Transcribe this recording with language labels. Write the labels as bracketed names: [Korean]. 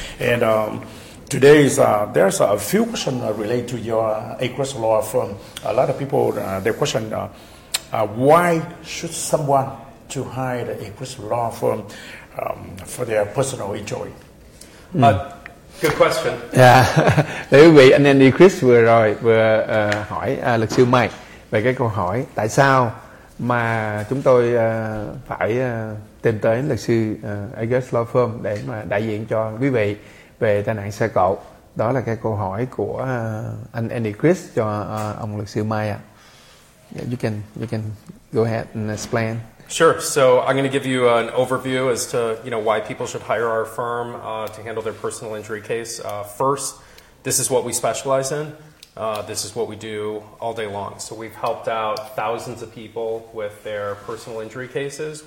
[English] And today's there's a few questions related to your Agruss Law Firm. A lot of people their question why should someone to hire an Agruss Law Firm for their personal injury? Good question. [Vietnamese] Yeah, quý vị, anh em đi Chris vừa rồi vừa hỏi luật sư Mike về cái câu hỏi tại sao mà chúng tôi phải tìm tới luật sư Agruss Law Firm để mà đại diện cho quý vị về tai nạn xe cộ. Đó là cái câu hỏi của anh Andy Chris cho ông luật sư Mai ạ. [English] Yeah, you can go ahead and explain. Sure. So I'm going to give you an overview as to why people should hire our firm to handle their personal injury case. First, this is what we specialize in. This is what we do all day long. So we've helped out thousands of people with their personal injury cases.